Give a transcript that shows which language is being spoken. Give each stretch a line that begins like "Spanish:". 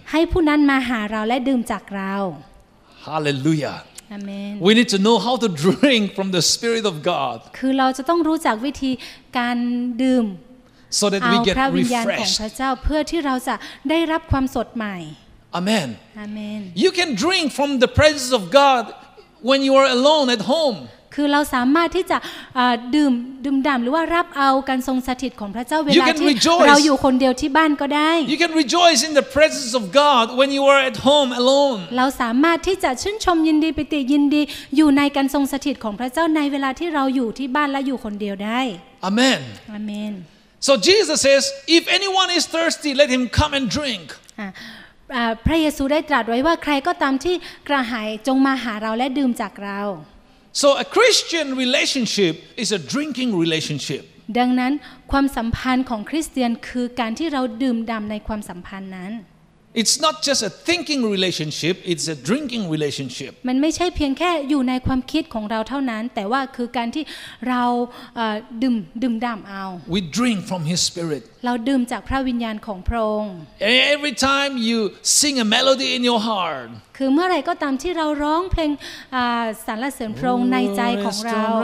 Thai: ให้ผู้นั้นมาหาเราและดื่มจากเรา
English: Hallelujah Amen We need to know how to drink from the Spirit of God
Thai: คือเราจะต้องรู้จักวิธีการดื่ม
English: so that we get refreshed
Thai: พระเจ้าเพื่อที่เราจะได้รับความสดใหม่
English: amen amen you can drink from the presence of god when you are alone at home
Thai: คือเราสามารถที่จะดื่มด่ำหรือว่ารับเอาการทรงสถิตของพระเจ้าเวลาที่ เราอยู่คนเดียวที่บ้านก็ได้
English: you can rejoice in the presence of god when you are at home alone
Thai: เราสามารถที่จะชื่นชมยินดีปิติยินดีอยู่ในการทรงสถิตของพระเจ้าในเวลาที่เราอยู่ที่บ้านและอยู่คนเดียวได้
English: amen amen So Jesus says, "If anyone is thirsty, let him come and drink."
Thai: พระเยซูได้ตรัสไว้ว่าใครก็ตามที่กระหายจงมาหาเราและดื่มจากเรา
English: So a Christian relationship is a drinking relationship.
Thai: ดังนั้นความสัมพันธ์ของคริสเตียนคือการที่เราดื่มด่ำในความสัมพันธ์นั้น
English: It's not just a thinking relationship; it's a drinking relationship.
Thai: มันไม่ใช่เพียงแค่อยู่ในความคิดของเราเท่านั้นแต่ว่าคือการที่เราดื่มด่ำเอา
English: We drink from His Spirit.
Thai: เราดื่มจากพระวิญญาณของพระองค์
English: Every time you sing a melody in your heart.
Thai: คือเมื่อไรก็ตามที่เราร้องเพลงสรรเสริญพระองค์ในใจของเรา